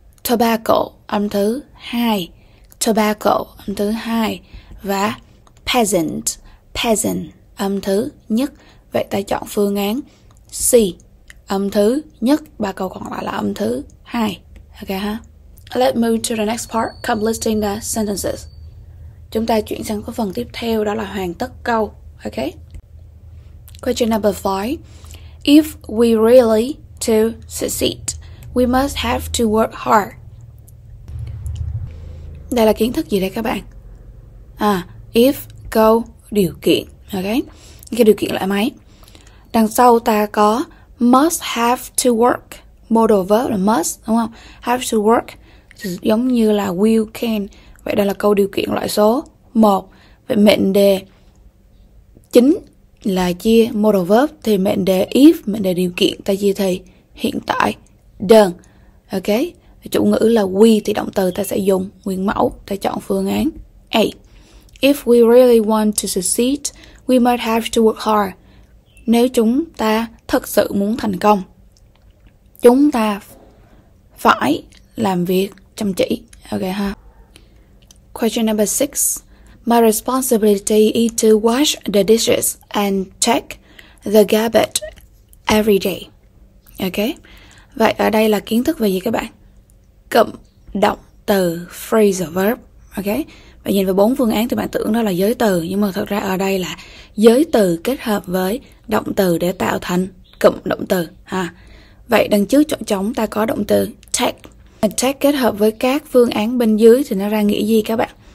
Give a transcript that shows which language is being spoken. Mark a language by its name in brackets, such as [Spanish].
[Vietnamese] Tobacco, âm thứ 2. Tobacco, âm thứ 2. Và peasant, peasant, âm thứ nhất. Vậy ta chọn phương án C, âm thứ nhất, ba câu còn lại là âm thứ 2. Ok ha. [English] Let's move to the next part, completing the sentences. [Vietnamese] Chúng ta chuyển sang cái phần tiếp theo, đó là hoàn tất câu. [English] Okay. Question number 5. If we really to succeed, we must have to work hard. [Vietnamese] Đây là kiến thức gì đây các bạn? If câu điều kiện. Okay. Cái điều kiện là máy. Đằng sau ta có must have to work. Modal verb là must, đúng không? Have to work giống như là will, can. Vậy đây là câu điều kiện loại số 1. Vậy mệnh đề chính là chia modal verb, thì mệnh đề if, mệnh đề điều kiện, ta chia thì hiện tại đơn. Ok. Chủ ngữ là we thì động từ ta sẽ dùng nguyên mẫu. Ta chọn phương án A. [English] If we really want to succeed, we might have to work hard. [Vietnamese] Nếu chúng ta thật sự muốn thành công, chúng ta phải làm việc chăm chỉ. [English] Ok ha. Question number 6. My responsibility is to wash the dishes and check the garbage every day. Ok. [Vietnamese] Vậy ở đây là kiến thức về gì các bạn? Cụm động từ, phrasal verb. Ok. Vậy nhìn vào bốn phương án thì bạn tưởng đó là giới từ, nhưng mà thật ra ở đây là giới từ kết hợp với động từ để tạo thành cụm động từ ha. Vậy đằng trước chỗ trống ta có động từ check. Take kết hợp với các phương án bên dưới thì nó ra nghĩa gì các bạn?